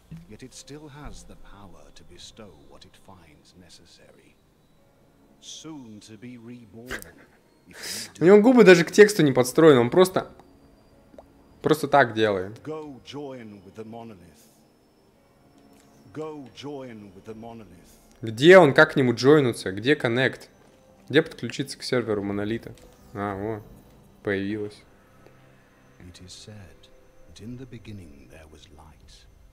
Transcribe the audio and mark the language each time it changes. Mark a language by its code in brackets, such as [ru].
[en] Yet it still has the power to bestow what it finds necessary. Soon to be reborn. [ru] У него губы даже к тексту не подстроены, он просто... Просто так делает. [en] Go join with the monolith. Go join with the monolith. [ru] Где он? Как к нему джойнуться? Где коннект? Где подключиться к серверу монолита? А, во. Появилось. [en] It is said that in the beginning there was life.